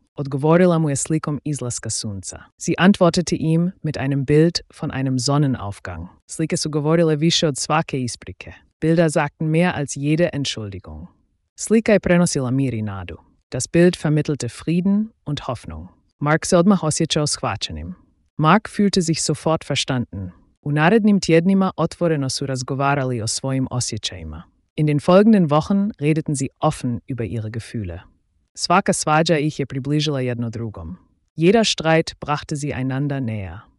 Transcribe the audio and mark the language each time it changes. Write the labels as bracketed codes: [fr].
[hr] Odgovorila mu je slikom izlaska sunca. [de] Sie antwortete ihm mit einem Bild von einem Sonnenaufgang. [hr] Slike su govorile više od svake isprike. [de] Bilder sagten mehr als jede Entschuldigung. [hr] Slika je prenosila mir i nadu. [de] Das Bild vermittelte Frieden und Hoffnung. [hr] Mark se odmah osjećao shvaćenim. [de] Mark fühlte sich sofort verstanden. [hr] U narednim tjednima otvoreno su razgovarali o svojim osjećajima. [de] In den folgenden Wochen redeten sie offen über ihre Gefühle. [hr] Svaka svađa ih je približila jedno drugom. [de] Jeder Streit brachte sie einander näher.